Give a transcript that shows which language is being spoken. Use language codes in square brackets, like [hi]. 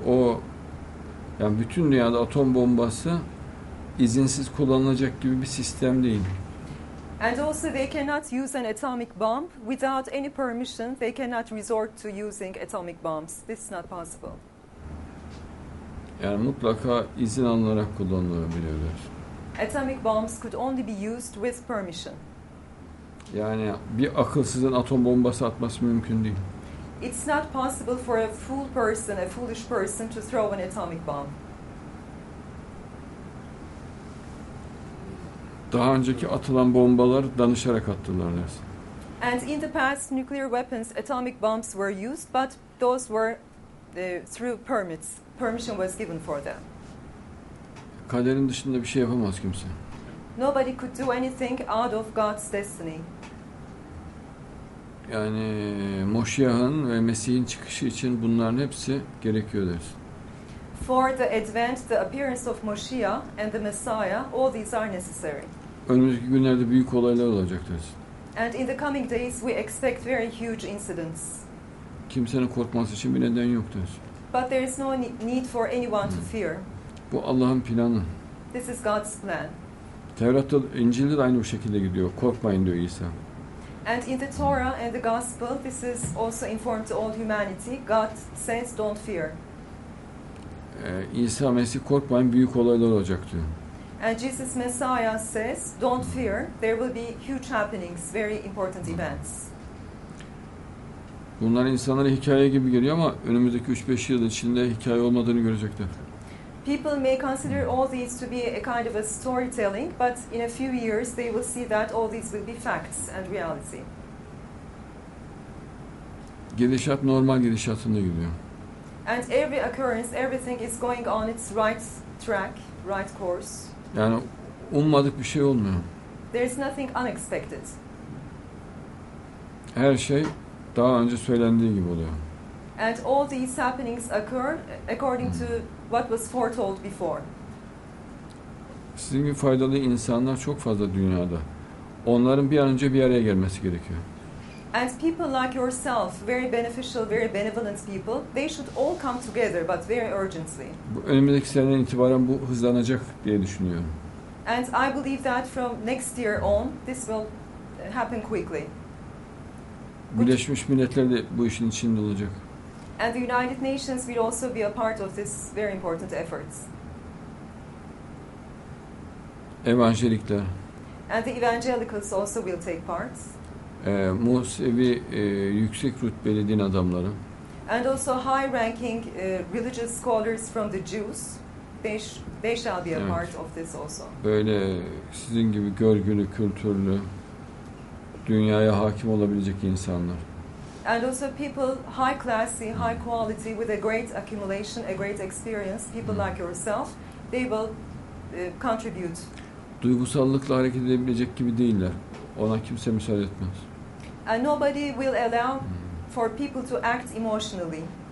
[tr] O, yani bütün dünyada atom bombası izinsiz kullanılacak gibi bir sistem değil. [en] And also they cannot use an atomic bomb without any permission. They cannot resort to using atomic bombs. This is not possible. [tr] Yani mutlaka izin alınarak kullanılabiliyorlar. [en] Atomic bombs could only be used with permission. [tr] Yani bir akılsızın atom bombası atması mümkün değil. [en] It's not possible for a fool person, a foolish person, to throw an atomic bomb. [tr] Daha önceki atılan bombalar danışarak attılar. [en] And in the past, nuclear weapons, atomic bombs were used, but those were through permits. Permission was given for them. [tr] Kaderin dışında bir şey yapamaz kimse. [en] Nobody could do anything out of God's destiny. [tr] Yani Moşiyah'ın ve Mesih'in çıkışı için bunların hepsi gerekiyor deriz. [en] For the advent, the appearance of Moşiyah and the Messiah, all these are necessary. [tr] Önümüzdeki günlerde büyük olaylar olacak deriz. [en] And in the coming days we expect very huge incidents. [tr] Kimsenin korkması için bir neden yok deriz. [en] But there is no need for anyone to fear. [tr] Bu Allah'ın planı. [en] This is God's plan. [tr] Tevrat'ta, İncil'de de aynı bu şekilde gidiyor. Korkmayın diyor İsa. [en] And in the Torah and the Gospel, this is also informed to all humanity. God says, "Don't fear." [tr] İsa Mesih korkmayın, büyük olaylar olacak diyor. [en] And Jesus Messiah says, "Don't fear. There will be huge happenings, very important events." [tr] Bunlar insanlara hikaye gibi geliyor ama önümüzdeki 3-5 yıl içinde hikaye olmadığını görecekler. [en] People may consider all these to be a kind of a storytelling, but in a few years they will see that all these will be facts and reality. [tr] Gidişat normal gidişatında gidiyor. [en] And every occurrence, everything is going on its right track, right course. [tr] Yani ummadık bir şey olmuyor. [en] There is nothing unexpected. [tr] Her şey daha önce söylendiği gibi oluyor. [en] And all these happenings occur according to what was foretold before. [tr] Sizin gibi faydalı insanlar çok fazla dünyada. Onların bir an önce bir araya gelmesi gerekiyor. [en] And people like yourself, very beneficial, very benevolent people, they should all come together, but very urgently. [tr] Bu önümüzdeki seneden itibaren bu hızlanacak diye düşünüyorum. [en] And I believe that from next year on, this will happen quickly. [tr] Birleşmiş Milletler de bu işin içinde olacak. [en] And the United Nations will also be a part of this very important efforts. [tr] Evangelikler. [en] And the evangelicals also will take part. [tr] Musevi, yüksek rütbeli din adamları. [en] And also high-ranking religious scholars from the Jews, they shall be a [tr] evet. [en] part of this also. [tr] Böyle sizin gibi görgülü, kültürlü, dünyaya hakim olabilecek insanlar. [en] And also people high classy, high quality, with a great accumulation, a great experience, people like yourself, they will contribute. [tr] Duygusallıkla hareket edebilecek gibi değiller. Ona kimse müsaade etmez. [en] And nobody will allow for people to act emotionally.